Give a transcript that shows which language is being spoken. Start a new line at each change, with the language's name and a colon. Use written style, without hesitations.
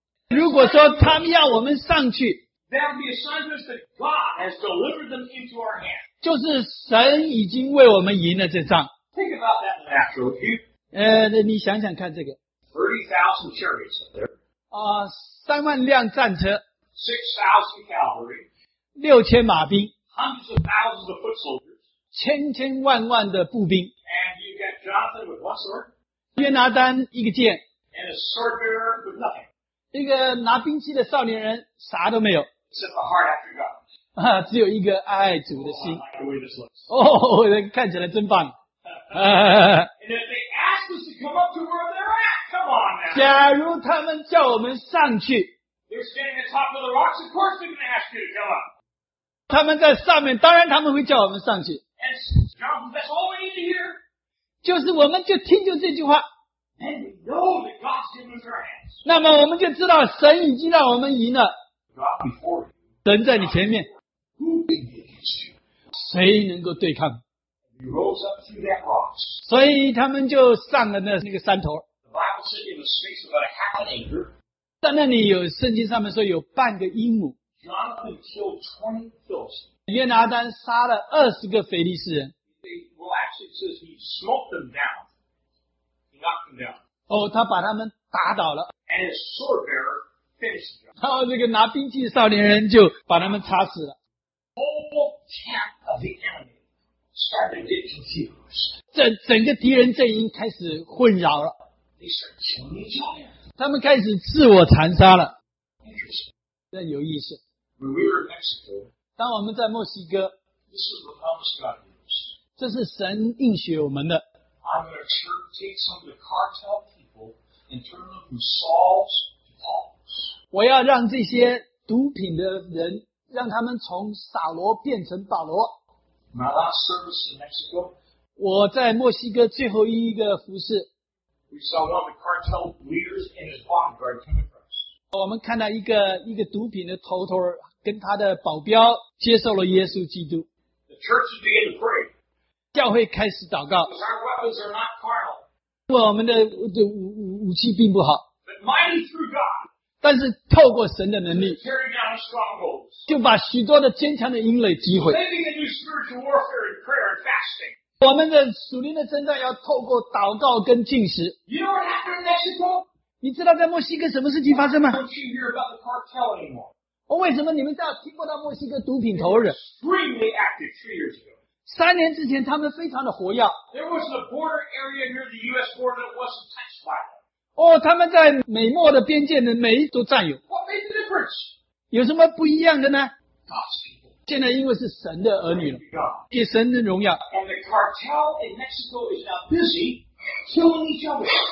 Chinese: 如果说他们要我们上去,
English: that would be a sign to us that God has delivered them into our hands.
Chinese: 就是神已经为我们赢了这仗。
English: Think about that in the natural
Chinese: view. 你想想看这个。
English: 30,000 chariots up there.
Chinese: 3万辆战车。
English: 6,000 cavalry.
Chinese: 6,000马兵。
English: Hundreds of thousands of foot soldiers.
Chinese: 千千万万的步兵,
English: and you get Jonathan with one sword,
Chinese: 约拿单一个剑,
English: and a sword bearer with nothing,
Chinese: 一个拿兵器的少年人, 啥都没有,
English: except a heart after God,
Chinese: 只有一个爱主的心,
English: oh, I like the way this looks,
Chinese: 看起来真棒,
English: and if they ask us to come up to where they're at, come on now,
Chinese: 假如他们叫我们上去,
English: they're standing at the top of the rocks, of course they're going to ask you to come up,
Chinese: 他们在上面, 当然他们会叫我们上去,
English: that's all we need to hear.
Chinese: 就是我们就听就这句话,
English: and we know that God's given us our hands.
Chinese: 那么我们就知道神已经让我们赢了,
English: God before you,
Chinese: 神在你前面,
English: who can get against you?
Chinese: 谁能够对抗?
English: He rose up through that rock.
Chinese: 所以他们就上了那个山头,
English: the Bible said in a space about a half an acre,
Chinese: 在那里有圣经上面说有半个英亩,
English: Jonathan killed 20 Philistines.
Chinese: 约拿单杀了20个腓力士人。
English: Well, actually, it says he smoked them down. He knocked them down.
Chinese: 他把他们打倒了。
English: And his sword bearer finished them.
Chinese: 然后这个拿兵器的少年人就把他们插死了。
English: The whole camp of the enemy started to get confused.
Chinese: 整个敌人阵营开始混扰了。
English: They started killing each other.
Chinese: 他们开始自我残杀了。
English: Interesting.
Chinese: 真有意思。
English: When we were in Mexico,
Chinese: 当我们在墨西哥,
English: this is the promise God gives.
Chinese: 这是神应许我们的,
English: I'm going to take some of the cartel people and turn them from Saul's to Paul's.
Chinese: 我要让这些毒品的人, 让他们从扫罗变成保罗。
English: My last service in Mexico,
Chinese: 我在墨西哥最后一个服侍,
English: we saw one of the cartel leaders and his bodyguard come across.
Chinese: 我们看到一个毒品的头头, 跟他的保镖接受了耶稣基督。
English: The church is beginning to pray.
Chinese: 教会开始祷告。
English: Because our weapons are not carnal.
Chinese: 我们的武器并不好。
English: But mighty through God.
Chinese: 但是透过神的能力。
English: To carry down strongholds.
Chinese: 就把许多的坚强的营垒击毁。
English: Living a new spiritual warfare in prayer and fasting.
Chinese: 我们的属灵的征战要透过祷告跟禁食。
English: You know what happened in Mexico?
Chinese: 你知道在墨西哥什么事情发生吗？
English: Don't you hear about the cartel anymore?
Chinese: 为什么你们这样听不到墨西哥毒品头子？
English: Extremely active 3 years ago.
Chinese: 三年之前他们非常的活跃。
English: There was a border area near the US border that wasn't touched by them.
Chinese: 他们在美墨的边界的每一都占有。
English: What made the difference?
Chinese: 有什么不一样的呢？
English: God's people.
Chinese: 现在因为是神的儿女了，给神的荣耀。
English: And the cartel in Mexico is now busy killing each other.